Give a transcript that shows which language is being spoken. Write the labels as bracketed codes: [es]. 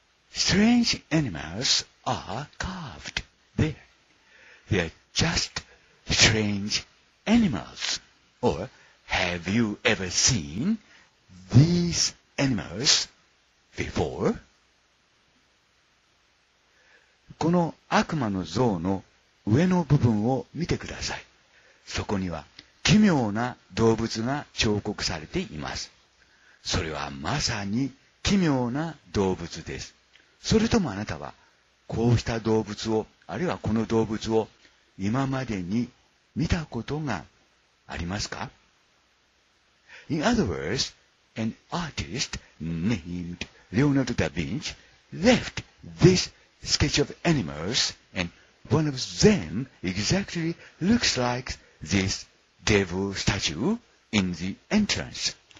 [en] Strange animals are carved there. They are just strange animals. Or have you ever seen these animals before? [ja] この悪魔の像の上の部分を見てください。そこには奇妙な動物が彫刻されています。それはまさに奇妙な動物です。それともあなたは、こうした動物を、あるいはこの動物を、今までに見たことがありますか? [en] In other words, an artist named Leonardo da Vinci left this sketch of animals, and one of them exactly looks like this devil statue in the entrance.